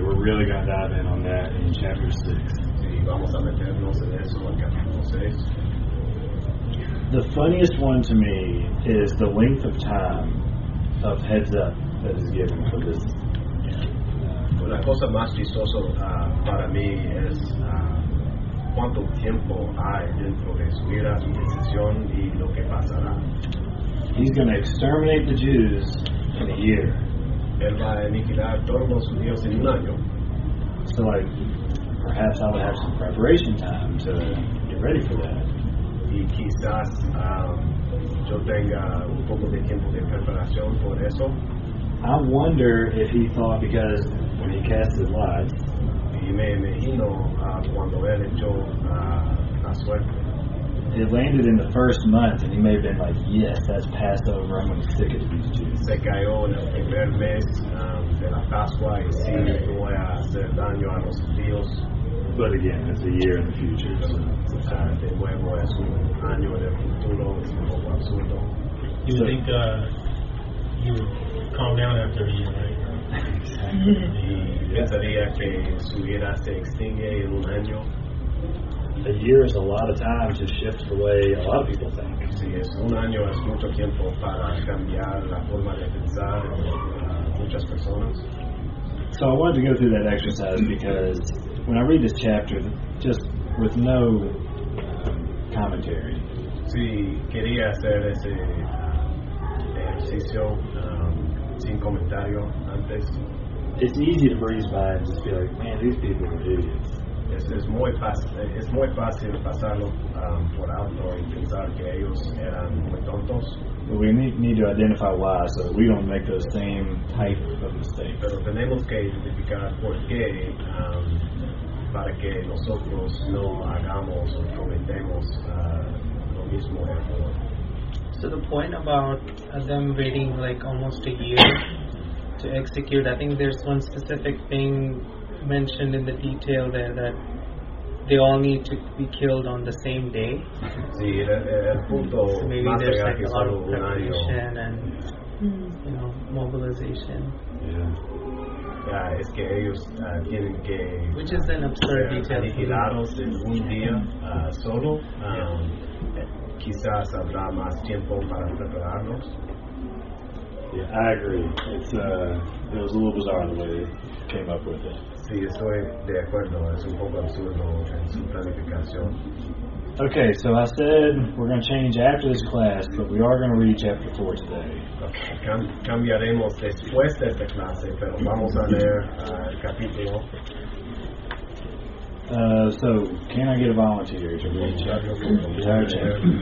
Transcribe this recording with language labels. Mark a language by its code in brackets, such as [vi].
[en] We're really going to dive in on that in chapter 6. [es] Sí, vamos a meternos en eso en capítulo 6. [en] The funniest one to me is the length of time of heads up that is given for this. [es] La cosa más chistoso para mí es cuánto tiempo hay dentro de su vida, su decisión y lo que pasará. [en] He's going to exterminate the Jews in a year. [es] Él va a aniquilar todos los judíos en un año. [en] So like, perhaps I would have some preparation time to get ready for that. [es] Y quizás yo tenga un poco de tiempo de preparación por eso. [en] I wonder if he thought because when he cast his lot, [es] y me imagino cuando él echó la suerte. [en] It landed in the first month, and he may have been like, yes, that's Passover, I'm going to stick it to these Jews. [es] Se cayó en el primer mes de la Pascua, y sí, voy a hacer daño a los judíos. [en] But again, it's a year in the future, so it's a time. [es] De nuevo, es un año en el futuro, es un poco absurdo. [en] You would think you would calm down after a year, right? [es] Exactly. Y pensaría que su vida se extingue en un año. [en] A year is a lot of time to shift the way a lot of people think. [es] Sí, es un año es mucho tiempo para cambiar la forma de pensar de muchas personas. [en] So I wanted to go through that exercise because when I read this chapter, just with no commentary. [es] Sí, quería hacer ese ejercicio sin comentario antes. [en] It's easy to breeze by and just be like, man, these people are idiots. [es] Es muy fácil pasarlo por alto y pensar que ellos eran muy tontos. [en] But we need to identify why so that we don't make those same type of mistakes. [es] Pero tenemos que identificar por qué para que nosotros no hagamos o cometemos lo mismo error. [en] So the point about them waiting like almost a year to execute, I think there's one specific thing mentioned in the detail there that they all need to be killed on the same day. [es] Sí, el punto [en] so maybe there's like a lot of preparation and you know, mobilization. Yeah. [es] Yeah, es que ellos tienen que [en] which is an absurd detail. [es] Aniquilados en un día solo. Yeah. Quizás habrá más tiempo para prepararnos. [en] Yeah, I agree. It's it was a little bizarre the way they came up with it. [es] Sí, estoy de acuerdo. Es un poco absurdo en su planificación. [en] Okay, so I said we're going to change after this class, but we are going to read chapter 4 today. [es] Okay, cambiaremos después de esta clase, pero vamos a leer el capítulo. [en] So, can I get a volunteer to read the entire chapter?